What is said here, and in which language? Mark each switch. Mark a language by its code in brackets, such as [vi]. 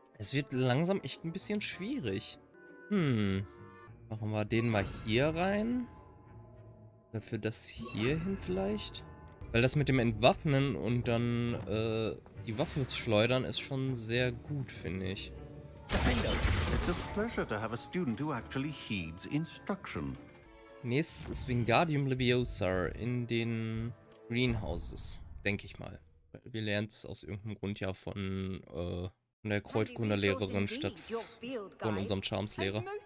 [de] Es wird langsam echt ein bisschen schwierig. Machen wir den mal hier rein. Dafür das hier hin vielleicht. Weil das mit dem Entwaffnen und dann die Waffe zu schleudern ist schon sehr gut, finde ich. [en] It's a pleasure to have a student who actually heeds instruction. [de] Nächstes ist Wingardium Leviosa in den Greenhouses, denke ich mal. Wir lernen es aus irgendeinem Grund ja von der Kreuzkunde-Lehrerin statt von unserem Charmslehrer.